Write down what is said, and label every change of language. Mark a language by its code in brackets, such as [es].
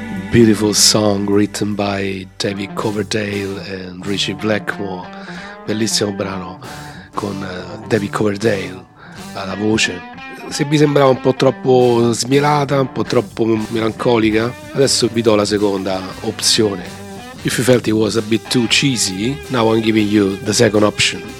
[en] Beautiful song written by David Coverdale and Richie Blackmore. [it] Bellissimo brano con David Coverdale alla voce. Se vi sembrava un po' troppo smielata, un po' troppo melancolica, adesso vi do la seconda opzione. [en] If you felt it was a bit too cheesy, now I'm giving you the second option.